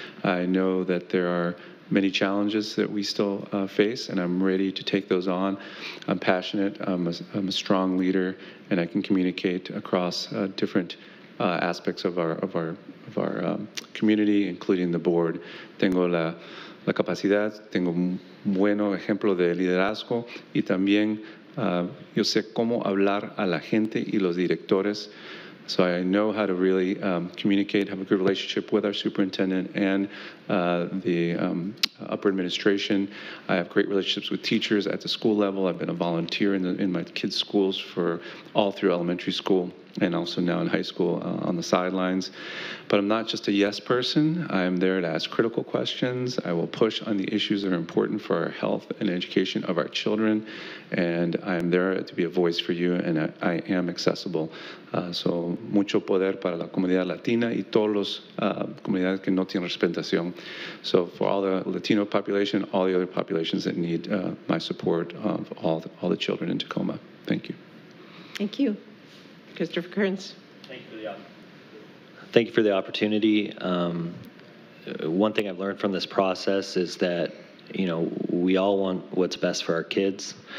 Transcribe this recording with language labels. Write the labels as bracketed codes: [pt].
[en] I know that there are many challenges that we still face, and I'm ready to take those on. I'm passionate, I'm a strong leader, and I can communicate across different aspects of our community, including the board. [es] Tengo la capacidad, tengo un buen ejemplo de liderazgo, y también yo sé cómo hablar a la gente y los directores. [en] So I know how to really communicate, have a good relationship with our superintendent and the upper administration. I have great relationships with teachers at the school level. I've been a volunteer in my kids' schools for all through elementary school and also now in high school on the sidelines. But I'm not just a yes person. I'm there to ask critical questions. I will push on the issues that are important for our health and education of our children. And I'm there to be a voice for you, and I am accessible. [es] So mucho poder para la comunidad latina y todos los comunidades que no tienen representación. [en] So for all the Latino population, all the other populations that need my support of all the children in Tacoma. Thank you. Thank you. Kristopher Kerns. Thank you for the opportunity. One thing I've learned from this process is that, you know, we all want what's best for our kids.